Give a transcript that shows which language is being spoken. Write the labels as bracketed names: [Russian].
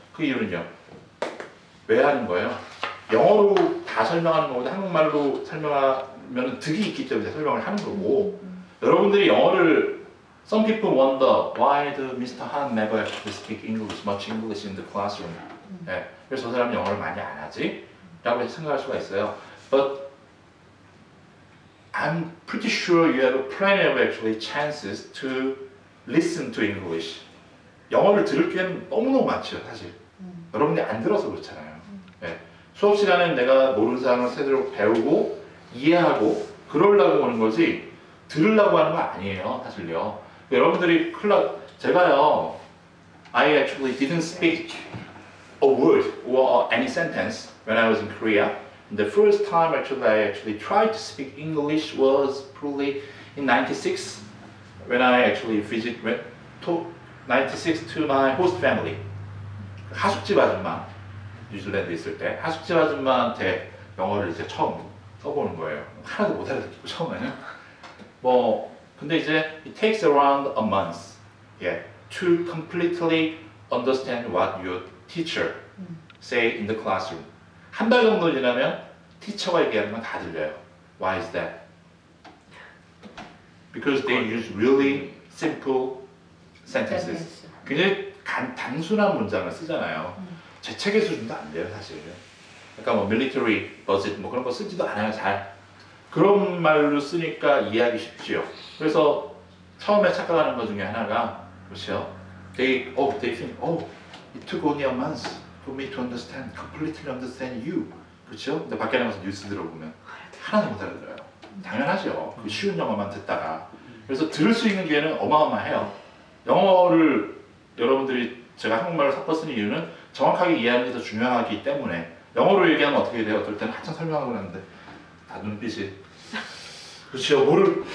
[Korean] 그 이유는요. 왜 하는 거예요? 영어로 다 설명하는 것보다 한국말로 설명하면 득이 있기 때문에 설명을 하는 거고 여러분들이 영어를 [English] Some people wonder why the Mr. Han never has to speak English, much English in the classroom. 네. [Korean] 그래서 저 사람은 영어를 많이 안 하지? 라고 생각할 수가 있어요. [English] But I'm pretty sure you have plenty of actually chances to listen to English. [Korean] 영어를 들을 기회는 너무너무 많죠, 사실. 여러분들이 안 들어서 그렇잖아요. 네. 수업 시간에 내가 모르는 사항을 새로 배우고 이해하고 그러려고 하는 거지 들으려고 하는 거 아니에요, 사실요. 여러분들이 클럽 제가요 [English] I actually didn't speak a word or any sentence when I was in Korea. And the first time actually I actually tried to speak English was probably in 96 when I actually visited 96 to my host family. [Korean] 하숙집 아줌마 뉴질랜드 있을 때 하숙집 아줌마한테 영어를 이제 처음 써보는 거예요. 하나도 못 알아듣고 처음에는 뭐 근데 이제 [English] it takes around a month yeah, to completely understand what your teacher say in the classroom. [Korean] 한 달 정도 지나면 티처가 얘기하는 건 다 들려요. [English] Why is that? Because they use really simple sentences. [Korean] 굉장히 단순한 문장을 쓰잖아요. 제 책의 수준도 안 돼요, 사실. 약간 뭐 military budget 뭐 그런 거 쓰지도 않아요, 잘. 그런 말로 쓰니까 이해하기 쉽지요. 그래서 처음에 착각하는 것 중에 하나가 그렇죠. [English] They think, oh, it took only a month for me to understand, completely understand you. [Korean] 그렇죠? 근데 밖에 나가서 뉴스 들어보면 하나도 못 알아들어요. 당연하죠. 그 쉬운 영어만 듣다가. 그래서 들을 수 있는 기회는 어마어마해요. 영어를 여러분들이 제가 한국말을 섞어 쓰는 이유는 정확하게 이해하는 게 더 중요하기 때문에 영어로 얘기하면 어떻게 돼요? 어떨 때는 한참 설명하고 있는데 다 눈빛이 그렇죠.